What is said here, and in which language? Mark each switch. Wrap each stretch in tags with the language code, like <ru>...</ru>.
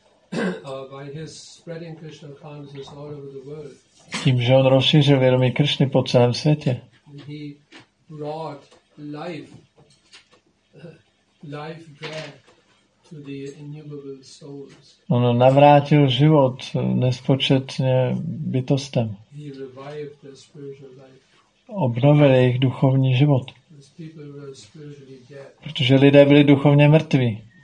<en>By his spreading Krishna consciousness all over the world.</en> <cs>Tím, že on rozšířil vědomí Krišny po celém světě.</cs> <en>He brought life back to the innumerable souls.</en> <cs>On navrátil život nespočetně bytostem.</cs> <en>He revived their spiritual life.</en> <cs>Obnovil jejich duchovní život.</cs> <en>His people were spiritually dead.</en> <cs>Protože lidé byli duchovně mrtví.</cs>